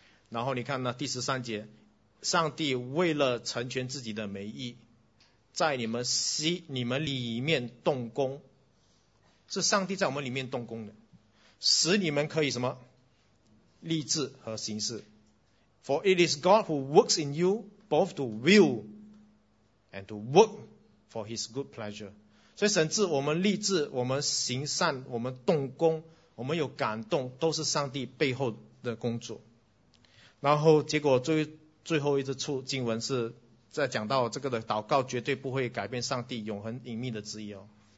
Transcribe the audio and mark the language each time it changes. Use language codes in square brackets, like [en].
[zh] 然后你看呢，第十三节，上帝为了成全自己的美意，在你们里面动工，是上帝在我们里面动工的，使你们可以什么立志和行事。 [en] For it is God who works in you both to will and to work for His good pleasure. [zh] 所以神赐我们立志，我们行善，我们动工，我们有感动，都是上帝背后的工作。然后结果最后一处经文是在讲到这个的祷告绝对不会改变上帝永恒隐秘的旨意哦。